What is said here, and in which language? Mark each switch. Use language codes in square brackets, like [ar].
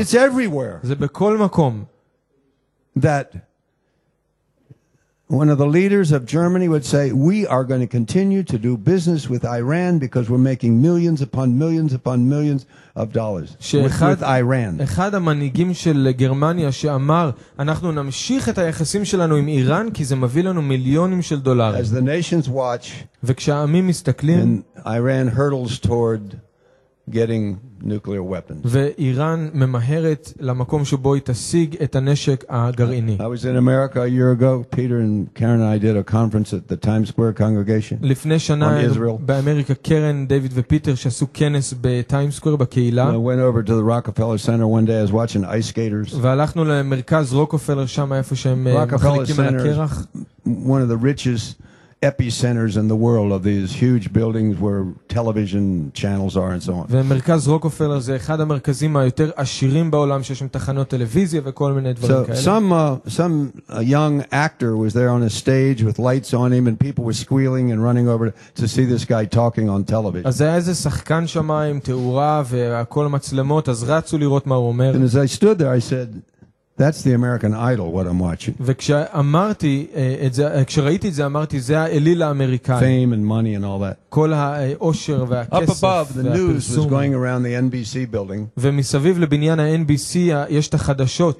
[en] It's everywhere. [he] זה בכל מקום. [en] That one of the leaders of Germany would say, we are going to continue to do business with Iran because we're making millions upon millions upon millions of dollars with Iran. [he] אחד המנהיגים של גרמניה שאמר, אנחנו נמשיך את היחסים שלנו עם איראן כי זה מביא לנו מיליונים של דולרים. [en] As the nations watch, [he] וכשהעמים מסתכלים, [en] and Iran hurtles toward getting nuclear weapons. [he] ואיראן ממהרת למקום שבו היא תשיג את הנשק הגרעיני. [en] I was in America a year ago. Peter and Karen and I did a conference at the Times Square congregation. [he] לפני שנה באמריקה, קרן, דיוויד ופיטר שעשו כנס בטיימס סקוור בקהילה. [en] I went over to the Rockefeller Center one day as watching ice skaters. [he] והלכנו למרכז רוקפלר שם איפה שהם מחליקים על הקרח. [en] One of the richest epicenters in the world of these huge buildings where television channels are and so on. [he] ומרכז רוקפלר זה אחד המרכזים היותר עשירים בעולם שיש שם תחנות טלוויזיה וכל מיני דברים כאלה. [en] So some young actor was there on a stage with lights on him and people were squealing and running over to see this guy talking on television. [he] אז היה איזה שחקן שם עם תאורה והכל מצלמות, אז רצו לראות מה הוא אומר. [en] And as I stood there I said, that's the American idol what I'm watching. [he] וכשאמרתי את זה, כשראיתי את זה אמרתי זה האליל האמריקאי. [en] Fame and money and all that. [he] כל האושר והכסף. [en] Up above the news was going around the NBC building. [he] ומסביב לבניין ה-NBC יש את החדשות.